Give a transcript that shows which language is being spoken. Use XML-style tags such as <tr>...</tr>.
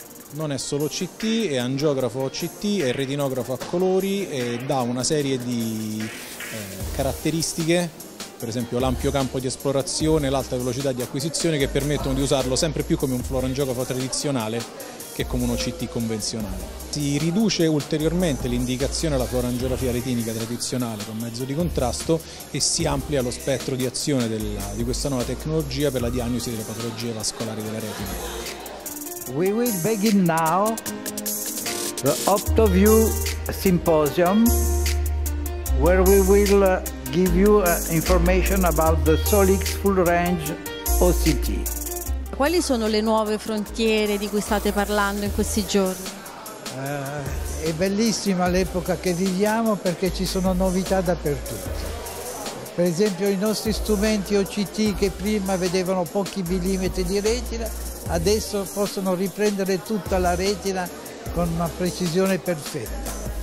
<it>Non è solo CT, è angiografo CT, è retinografo a colori e dà una serie di caratteristiche, per esempio l'ampio campo di esplorazione, l'alta velocità di acquisizione, che permettono di usarlo sempre più come un fluorangiografo tradizionale che come un OCT convenzionale. Si riduce ulteriormente l'indicazione alla fluorangiografia retinica tradizionale con mezzo di contrasto e si amplia lo spettro di azione di questa nuova tecnologia per la diagnosi delle patologie vascolari della retina.</it> <en>We will begin now. the OptoView Symposium, where we will give you information about the Solix full range OCT.</en> <it>Quali sono le nuove frontiere di cui state parlando in questi giorni? È bellissima l'epoca che viviamo perché ci sono novità dappertutto. Per esempio i nostri strumenti OCT che prima vedevano pochi millimetri di retina, adesso possono riprendere tutta la retina con una precisione perfetta.</it>